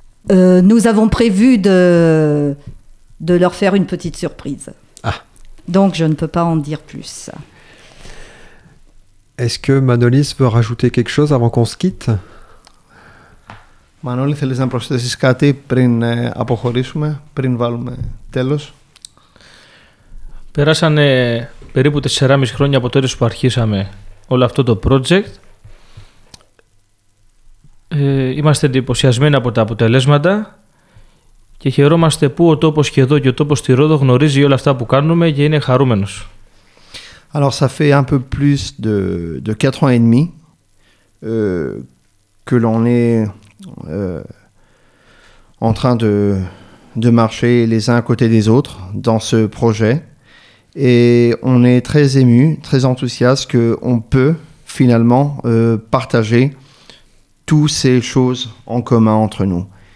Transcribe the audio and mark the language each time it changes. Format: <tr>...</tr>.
<fr>Nous avons prévu de leur faire une petite surprise. Ah. Donc je ne peux pas en dire plus. Est-ce que Manolis veut rajouter quelque chose avant qu'on se quitte ?</fr> <el>Manolis, θέλεις να προσθέσεις κάτι πριν αποχωρήσουμε, πριν βάλουμε τέλος. Περάσανε περίπου 4,5 χρόνια από τότε που αρχίσαμε όλο αυτό το project. Είμαστε εντυπωσιασμένοι από τα αποτελέσματα και χαιρόμαστε που ο τόπος και εδώ και ο τόπος στη Ρόδο γνωρίζει όλα αυτά που κάνουμε και είναι χαρούμενος.</el> <fr>Alors ça fait un peu plus de 4 ans et demi que l'on est en train de marcher les uns à côté des autres dans ce projet. Et on est très ému, très enthousiaste qu'on peut finalement partager toutes ces choses en commun entre nous.</fr>